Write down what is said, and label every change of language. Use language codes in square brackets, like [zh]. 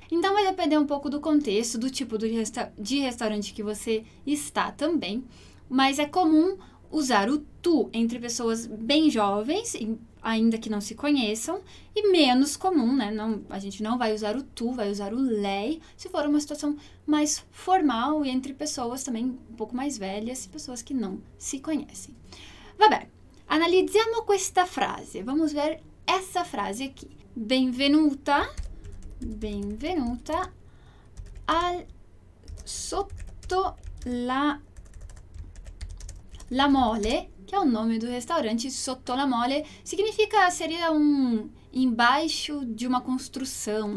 [pt] Então, vai depender um pouco do contexto, do tipo de restaurante que você está também. Mas é comum usar o tu entre pessoas bem jovens, ainda que não se conheçam, e menos comum, né? Não, a gente não vai usar o tu, vai usar o lei, se for uma situação mais formal e entre pessoas também um pouco mais velhas, pessoas que não se conhecem. [it] Vabbè, analizziamo questa frase. [pt] Vamos ver essa frase aqui. [it] Benvenuta, benvenuta al sotto la, la mole, [pt] que é o nome do restaurante, sotto la mole, significa, seria um embaixo de uma construção.